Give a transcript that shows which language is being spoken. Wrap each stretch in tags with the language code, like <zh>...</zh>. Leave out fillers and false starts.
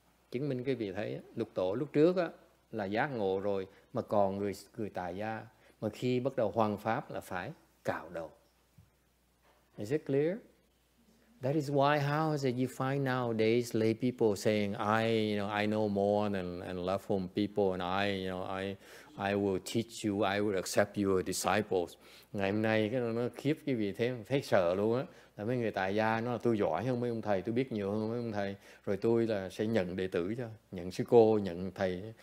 <vi>Chứng minh cái việc thấy lục tổ lúc trước á là giác ngộ rồi, mà còn người tại gia, mà khi bắt đầu hoằng pháp là phải cạo đầu.</vi> <en>Is it clear? That is why how is it you find nowadays lay people saying I know more than love home people and I will teach you, I will accept your disciples.</en> <vi>Ngày hôm nay cái nó khiếp cái vị thế, thấy sợ luôn á. Là mấy người tại gia nó là tôi giỏi hơn mấy ông thầy, tôi biết nhiều hơn mấy ông thầy, rồi tôi là sẽ nhận đệ tử cho, nhận sư cô, nhận thầy.</vi>